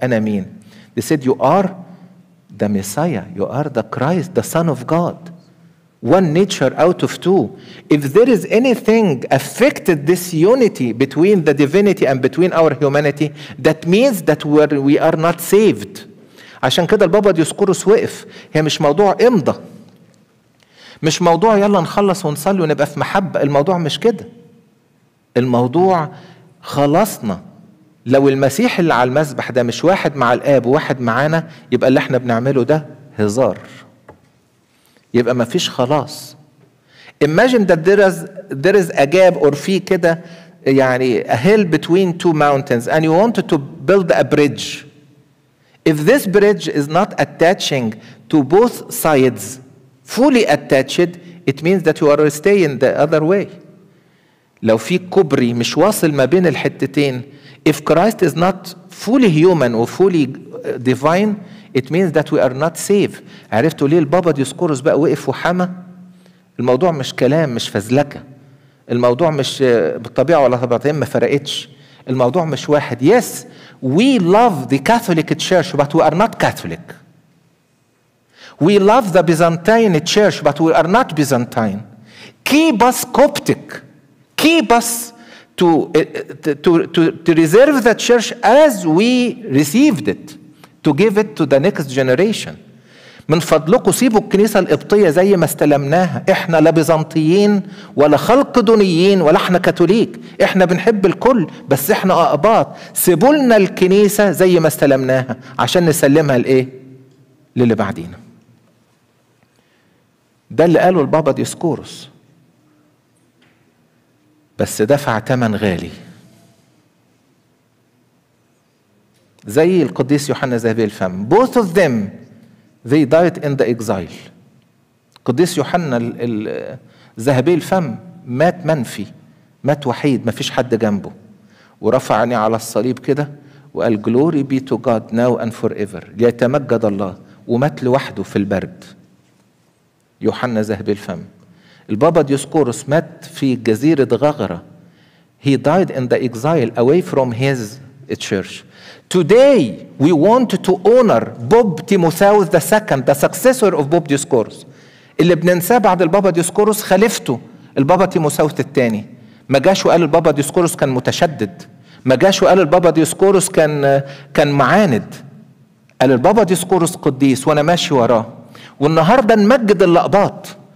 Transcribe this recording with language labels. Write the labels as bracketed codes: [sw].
[ar] أنا مين؟ [en] They said, you are the Messiah. You are the Christ, the Son of God. One nature out of two. If there is anything affected this unity between the divinity and between our humanity, that means that we are not saved. [ar] عشان كده البابا ديوسكوروس وقف. هي مش موضوع امضى. مش موضوع يلا نخلص ونصلي ونبقى في محبة. الموضوع مش كده. الموضوع خلصنا. لو المسيح اللي على المذبح ده مش واحد مع الآب وواحد معانا, يبقى اللي احنا بنعمله ده هزار. يبقى ما فيش خلاص. [en] Imagine that there is a gap or [ar] في كده يعني [en] a hill between two mountains and you wanted to build a bridge. If this bridge is not attaching to both sides, fully attached, it means that you are staying the other way. [ar] لو في كوبري مش واصل ما بين الحتتين, [en] if Christ is not fully human or fully divine, it means that we are not safe. [ar] عرفتوا ليه البابا ديوسكوروس بقى وقف وحمى؟ الموضوع مش كلام, مش فزلكة. الموضوع مش بالطبيعة ولا طبيعتين ما فرقتش. الموضوع مش واحد. [en] Yes, we love the Catholic Church, but we are not Catholic. We love the Byzantine Church, but we are not Byzantine. Keep us Coptic. Keep us to reserve the church as we received it, to give it to the next generation. [ar] من فضلكم سيبوا الكنيسة القبطية زي ما استلمناها. احنا لا بيزنطيين ولا خلق دونيين ولا احنا كاثوليك. احنا بنحب الكل بس احنا اقباط. سيبوا لنا الكنيسة زي ما استلمناها عشان نسلمها لايه؟ للي بعدينا. ده اللي قاله البابا ديوسكوروس. بس دفع ثمن غالي. زي القديس يوحنا ذهبي الفم. [en] Both of them they died in the exile. [ar] قديس يوحنا ذهبي الفم مات منفي. مات وحيد ما فيش حد جنبه. ورفعني على الصليب كده وقال [en] Glory be to God now and forever. [ar] ليتمجد الله. ومات لوحده في البرد. يوحنا ذهبي الفم. البابا ديوسكوروس مات في جزيرة غغرة. [en] He died in the exile away from his church. Today we want to honor Bob Timotheus the second, the successor of Bob Dioscorus. [ar] اللي بننساه بعد البابا ديوسكوروس خلفته البابا تيموثاوس الثاني. ما جاش وقال البابا ديوسكوروس كان متشدد. ما جاش وقال البابا ديوسكوروس كان معاند. قال البابا ديوسكوروس قديس وانا ماشي وراه. والنهاردة نمجد اللقبات.